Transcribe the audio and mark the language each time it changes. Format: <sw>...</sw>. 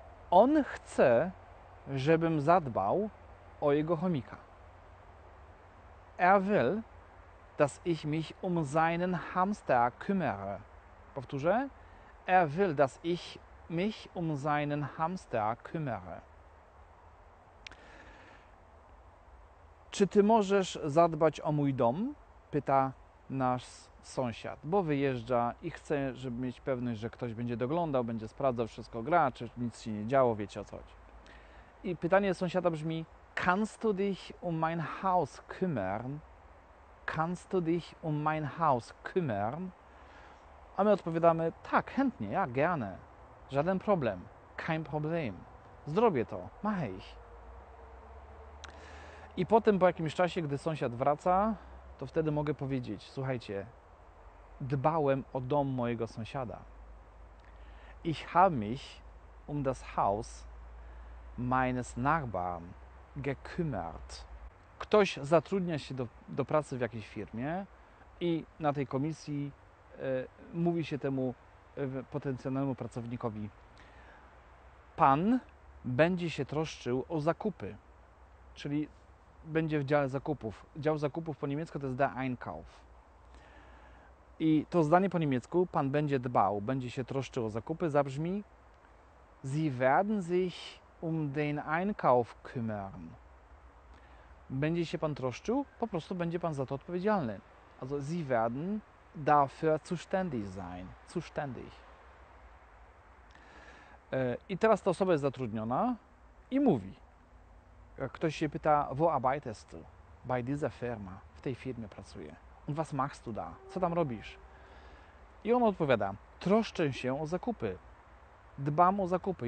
<pl>On chce, żebym zadbał o jego chomika.</pl> <de>Er will, dass ich mich um seinen Hamster kümmere.</de> <pl>Powtórzę.</pl> <de>Er will, dass ich mich um seinen Hamster kümmere.</de> <pl>Czy ty możesz zadbać o mój dom? Pyta nasz sąsiad, bo wyjeżdża i chce, żeby mieć pewność, że ktoś będzie doglądał, będzie sprawdzał, wszystko gra, czy nic się nie działo, wiecie o co chodzi. I pytanie sąsiada brzmi:</pl> <de>Kannst du dich um mein Haus kümmern? Kannst du dich um mein Haus kümmern?</de> <pl>A my odpowiadamy: Tak, chętnie,</pl> <de>ja, gerne.</de> <pl>Żaden problem.</pl> <de>Kein Problem.</de> <pl>Zrobię to.</pl> <de>Mach ich.</de> <pl>I potem, po jakimś czasie, gdy sąsiad wraca, to wtedy mogę powiedzieć: Słuchajcie, dbałem o dom mojego sąsiada.</pl> <de>Ich habe mich um das Haus meines Nachbarn gekümmert.</de> <pl>Ktoś zatrudnia się do pracy w jakiejś firmie i na tej komisji mówi się temu potencjalnemu pracownikowi: Pan będzie się troszczył o zakupy, czyli będzie w dziale zakupów. Dział zakupów po niemiecku to jest der Einkauf. I to zdanie po niemiecku: Pan będzie dbał, będzie się troszczył o zakupy, zabrzmi:</pl> <de>Sie werden sich um den Einkauf kümmern.</de> <pl>Będzie się pan troszczył, po prostu będzie pan za to odpowiedzialny.</pl> <de>Also, Sie werden dafür zuständig sein. Zuständig.</de> <pl>I teraz ta osoba jest zatrudniona i mówi. Ktoś się pyta:</pl> <de>Wo arbeitest du? Bei dieser Firma.</de> <pl>W tej firmie pracuję.</pl> <de>Und was machst du da?</de> <pl>Co tam robisz? I on odpowiada: Troszczę się o zakupy. Dbam o zakupy.</pl>